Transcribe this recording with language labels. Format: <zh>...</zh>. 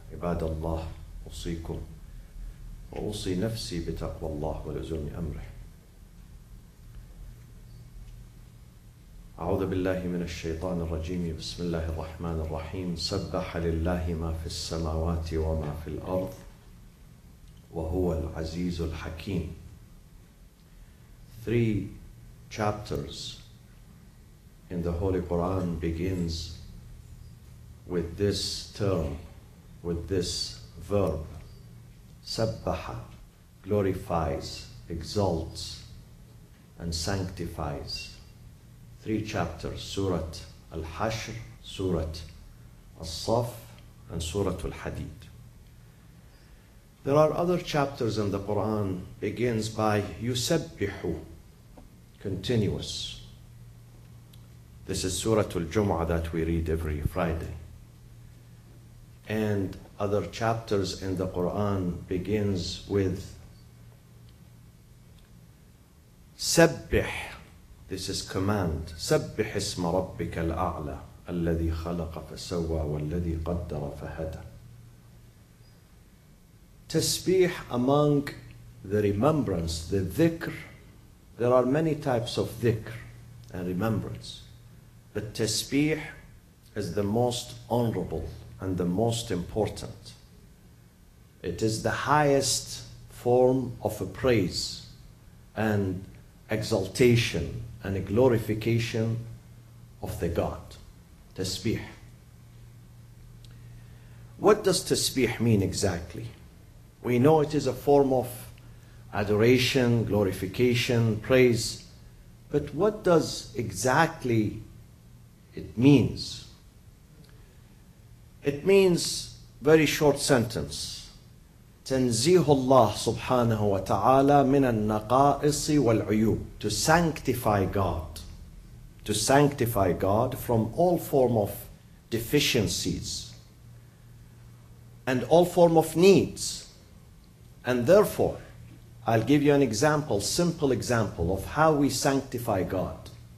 <ar>عباد الله، أوصيكم وأوصي نفسي بتقوى الله ولزوم أمره. أعوذ بالله من الشيطان الرجيم. بسم الله الرحمن الرحيم. سبح لله ما في السماوات وما في الأرض وهو العزيز الحكيم.</ar> <en>Three chapters in the Holy Quran begins with this term, with this verb, سَبَّحَ, glorifies, exalts, and sanctifies. Three chapters, Surah Al-Hashr, Surah Al-Saff, and Surah Al-Hadid. There are other chapters in the Quran, begins by يُسَبِّحُ, continuous. This is Surah Al-Jum'ah that we read every Friday. And other chapters in the Quran begins with سبح. This is command.</en> <ar>سبح اسم ربك الأعلى الذي خلق فسوى والذي قدر فهدى.</ar> <en>تسبيح, among the remembrance, the ذكر. There are many types of ذكر and remembrance, but تسبيح is the most honorable and the most important. It is the highest form of a praise and exaltation and a glorification of the God. Tasbih. What does tasbih mean exactly? We know it is a form of adoration, glorification, praise, but what does exactly it means? It means, very short sentence,</en> <ar>تَنْزِيهُ اللَّهُ سُبْحَانَهُ وَتَعَالَى مِنَ النَّقَائِصِ وَالْعُيُوبِ.</ar> <en>To sanctify God. To sanctify God from all form of deficiencies and all form of needs. And therefore, I'll give you an example, simple example of how we sanctify God.</en>